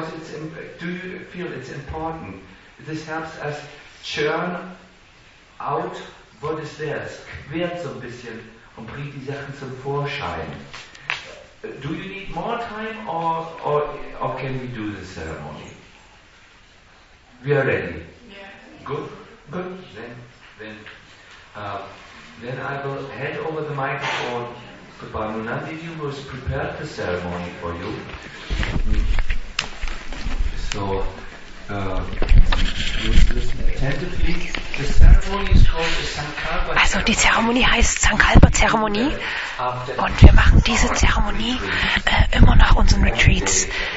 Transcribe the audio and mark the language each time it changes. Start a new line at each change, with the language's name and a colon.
English: This helps us churn out what is there.
German: Es quert so ein bisschen und bringt die Sachen zum Vorschein.
English: Do you need more time or can we do the ceremony? We are ready. Yeah. Good. Then I will hand over the microphone to Banunandi, who has prepared the ceremony for you. So,
German: also die Zeremonie heißt Sankalpa-Zeremonie und wir machen diese Zeremonie immer nach unseren Retreats.